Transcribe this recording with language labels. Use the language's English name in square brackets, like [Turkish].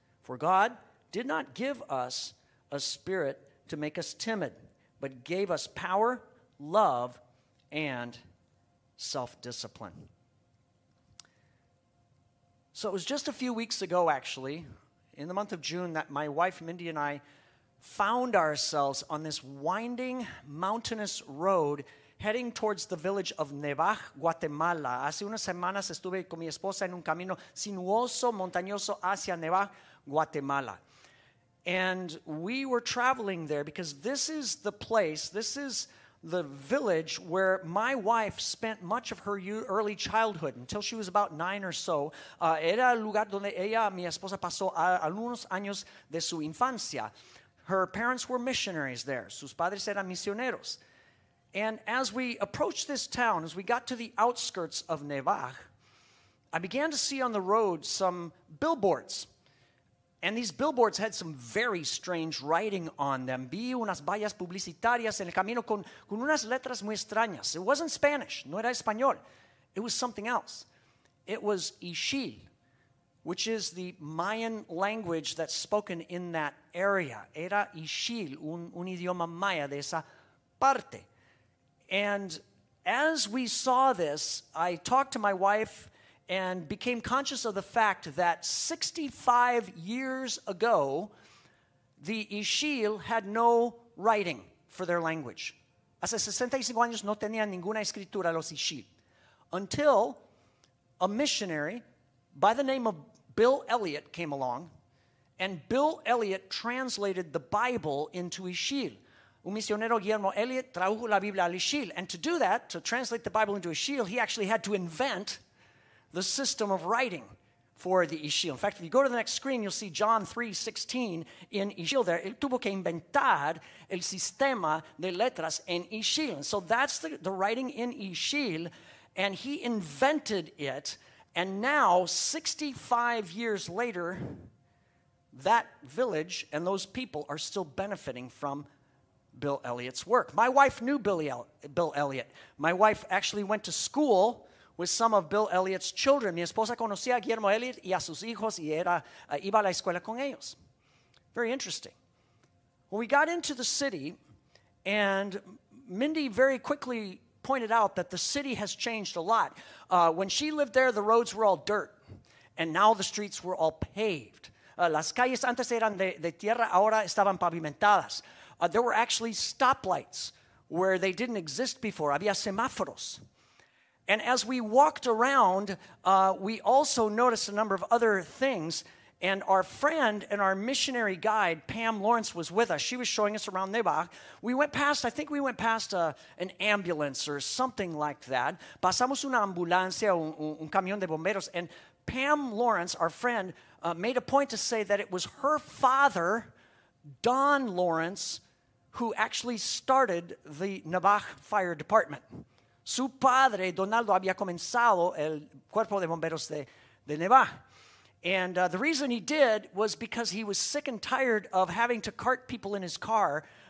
[English] For God did not give us a spirit to make us timid, but gave us power, love, and self-discipline. So it was just a few weeks ago, actually, in the month of June, that my wife Mindy and I found ourselves on this winding mountainous road heading towards the village of Nevaj, Guatemala. [Spanish] Hace unas semanas estuve con mi esposa en un camino sinuoso, montañoso, hacia Nevaj, Guatemala. [English] And we were traveling there because this is the place, this is the village where my wife spent much of her early childhood until she was about 9 or so. [Spanish] Era el lugar donde ella, mi esposa, pasó algunos años de su infancia. [English] Her parents were missionaries there. [Spanish] Sus padres eran misioneros. [English] And as we approached this town, as we got to the outskirts of Nevaj, I began to see on the road some billboards. And these billboards had some very strange writing on them. [Spanish] Vi unas vallas publicitarias en el camino con unas letras muy extrañas. [English] It wasn't Spanish. [Spanish] No era español. [English] It was something else. It was Ixil, which is the Mayan language that's spoken in that area. [Spanish] Era Ixil, un idioma maya de esa parte. [English] And as we saw this, I talked to my wife and became conscious of the fact that 65 years ago, the Ixil had no writing for their language. [Spanish] Hace 65 años no tenían ninguna escritura los Ixil. [English] Until a missionary by the name of Bill Elliott came along, and Bill Elliott translated the Bible into Ixil. [Spanish] Un misionero, Guillermo Elliott, tradujo la Biblia al Ixil. [English] And to do that, to translate the Bible into Ixil, he actually had to invent the system of writing for the Ixil. In fact, if you go to the next screen, you'll see John 3:16 in Ixil there. [Spanish] Él tuvo que inventar el sistema de letras en Ixil. [English] So that's the writing in Ixil, and he invented it. And now, 65 years later, that village and those people are still benefiting from Bill Elliott's work. My wife knew Bill Elliott. My wife actually went to school with some of Bill Elliott's children. [Spanish] Mi esposa conocía a Guillermo Elliott y a sus hijos y iba a la escuela con ellos. [English] Very interesting. Well, we got into the city, and Mindy very quickly pointed out that the city has changed a lot. When she lived there, the roads were all dirt, and now the streets were all paved. [Spanish] Las calles antes eran de tierra, ahora estaban pavimentadas. [English] There were actually stoplights where they didn't exist before. [Spanish] Había semáforos. [English] And as we walked around, we also noticed a number of other things. And our friend and our missionary guide, Pam Lawrence, was with us. She was showing us around Nevaj. We went past an ambulance or something like that. [Spanish] Pasamos una ambulancia, un camión de bomberos. [English] And Pam Lawrence, our friend, made a point to say that it was her father, Don Lawrence, who actually started the Nevaj Fire Department. [Spanish] Su padre, Donaldo, había comenzado el cuerpo de bomberos de Nevaj. [English] And the reason he did was because he was sick and tired of having to cart people in his car.